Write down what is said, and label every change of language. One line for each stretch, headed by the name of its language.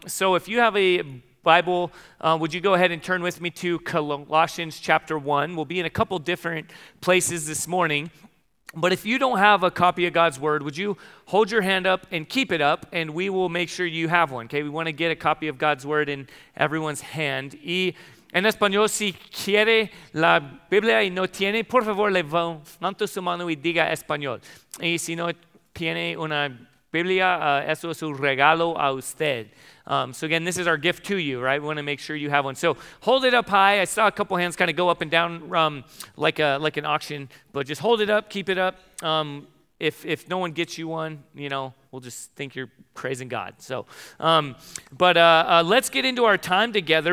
English: So if you have a Bible, would you go ahead and turn with me to Colossians chapter 1? We'll be in a couple different places this morning. But if you don't have a copy of God's Word, would you hold your hand up and keep it up, and we will make sure you have one, okay? We want to get a copy of God's Word in everyone's hand.
Spanish: Y en español, si quiere la Biblia y no tiene, por favor, levante su mano y diga español. Y si no tiene una Biblia, eso es un regalo a usted.
English: So again, this is our gift to you, right? We want to make sure you have one. So hold it up high. I saw a couple hands kind of go up and down like an auction, but just hold it up, keep it up. If no one gets you one, you know, we'll just think you're praising God. So, let's get into our time together.